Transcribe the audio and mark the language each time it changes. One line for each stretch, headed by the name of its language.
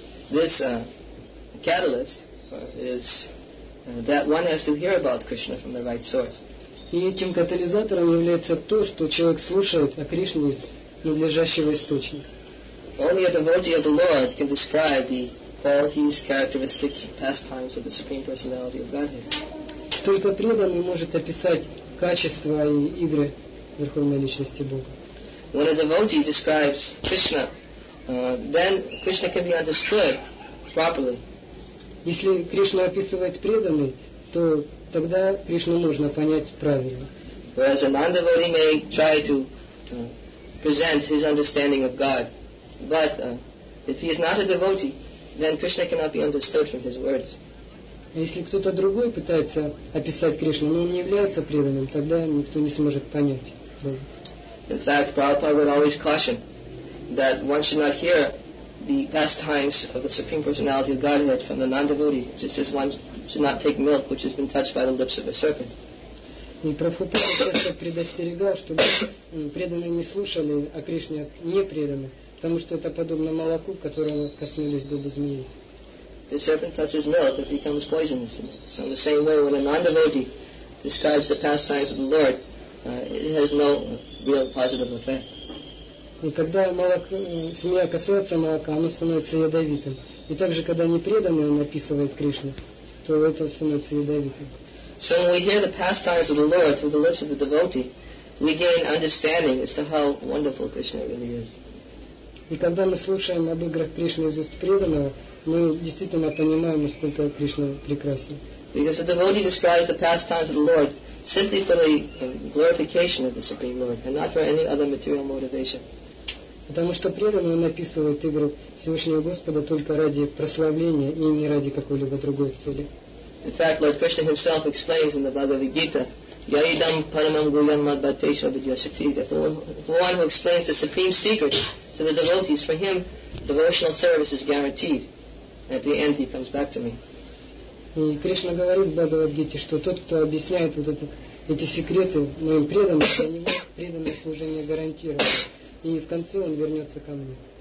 English: This catalyst is that one has to hear about Krishna from the right source.
Russian: И этим катализатором является то, что человек слушает о Кришне из надлежащего источника.
English: Only a devotee of the Lord can describe the qualities, characteristics, pastimes of the Supreme Personality of Godhead.
Russian: Только преданный может описать качества и игры Верховной Личности Бога.
English: When a devotee describes Krishna, then Krishna can be understood properly.
Russian: Если Кришна описывает преданный, то тогда Кришну можно понять правильно.
English: Whereas a non-devotee may try to present his understanding of God, but if he is not a devotee, then Krishna cannot be understood from his words.
Russian: Если кто-то другой пытается описать Кришну, но он не является преданным, тогда никто не сможет понять. Да.
English: In fact, Prabhupada would always caution that one should not hear the pastimes of the Supreme Personality of Godhead from the non-devotee, just as one should not take milk which has been touched by the lips of a serpent.
Russian: И Прабхупада часто предостерегал, чтобы преданные не слушали о Кришне непреданных, потому что это подобно молоку, которое коснулись губы змеи.
English: The serpent touches milk, it becomes poisonous. And so in the same way, when a non-devotee describes the pastimes of the Lord, it has no real positive effect.
Russian: И когда змея касается молока, оно становится ядовитым. И также, когда непреданный он описывает Кришну, то это становится ядовитым.
English: So when we hear the pastimes of the Lord through the lips of the devotee, we gain understanding as to how wonderful Krishna really is.
Russian: И когда мы слушаем об играх Кришны из уст преданного, мы действительно понимаем, насколько Кришна прекрасен.
English: Because the devotee describes the pastimes of the Lord simply for the glorification of the Supreme Lord and not for any other material motivation.
Russian: Потому что преданный описывает игру Всевышнего Господа только ради прославления и не ради какой-либо другой цели.
English: In fact, Lord Krishna himself explains in the Bhagavad Gita,
Sanskrit: Yaidam Paramam Guyam Madbhateshwa Vidyasakti,
English: that the one who explains the supreme secret to the devotees, for him, devotional service is guaranteed. At the end, he comes back to me.
Russian: И Кришна говорит в Бхагавад Гите, что тот, кто объясняет вот эти секреты моим преданным, для него преданное служение гарантировано. И в конце он вернется ко мне.